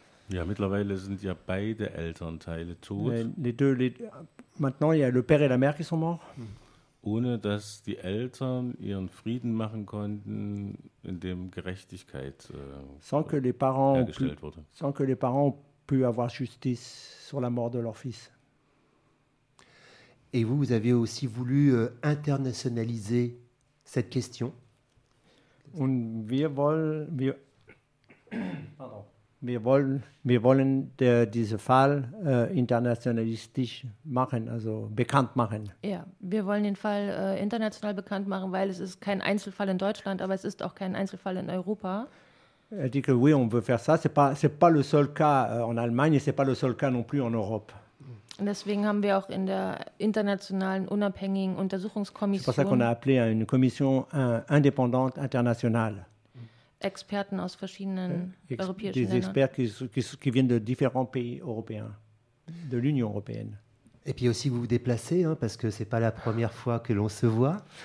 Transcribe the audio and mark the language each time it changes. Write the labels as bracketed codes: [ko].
[de] Ja, mittlerweile sind ja beide Elternteile tot. [fr] Maintenant, il y a le père et la mère qui sont morts. [de] Ohne dass die Eltern ihren Frieden machen konnten, indem Gerechtigkeit hergestellt wurde. [fr] Sans que les parents ont pu avoir justice sur la mort de leur fils. Et vous avez aussi voulu internationaliser cette question. [de] Und wir wollen diesen Fall internationalistisch machen, also bekannt machen. Ja, wir wollen den Fall international bekannt machen, weil es ist kein Einzelfall in Deutschland, aber es ist auch kein Einzelfall in Europa. [fr] Er dit que oui, on veut faire ça. C'est pas le seul cas en Allemagne, c'est pas le seul cas non plus en Europe. [de] Und deswegen haben wir auch in der internationalen unabhängigen Untersuchungskommission. [fr] C'est pour ça qu'on a appelé à une commission indépendante internationale. [de] Experten aus verschiedenen europäischen [fr] des [de] Ländern. [fr] Experts qui viennent de différents pays européens, de l'Union européenne. Et puis aussi, vous vous déplacez, hein, parce que ce n'est pas la première fois que l'on se voit.